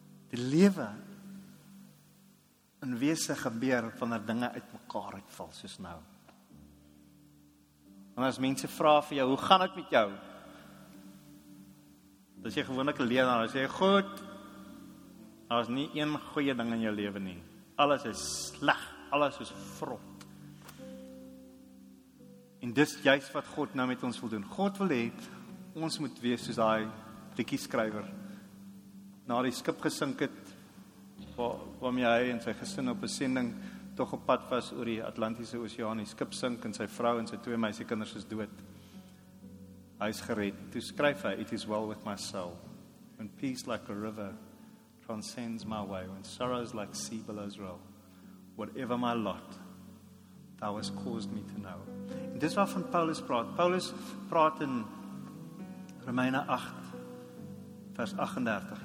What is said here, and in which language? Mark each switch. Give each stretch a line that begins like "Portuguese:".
Afrikaans: Die lewe in wese gebeur wanneer dinge uit mekaar uitval, soos nou. En as mense vra vir jou, hoe gaan ek met jou? Dan sê jy gewoonlik alleen, dan sê jy, goed, daar is nie een goeie ding in jou lewe nie. Alles is sleg, alles is vrot. En dis juist wat God nou met ons wil doen. God wil hê, ons moet wees soos daai liedjie-skrywer. Na die skip gesink het, waarmee hy en sy gesin op 'n sending toch op pad was oor die Atlantiese Oseaan, die skip sink en sy vrou en sy twee meisiekinders is dood. Hy is gered. Toe skryf hy,
English: it is well with my soul, when peace like a river transcends my way, when sorrows like sea billows roll, whatever my lot, thou hast caused me to know.
Afrikaans: En dis waarvan Paulus praat. Paulus praat in Romeine 8, vers 38.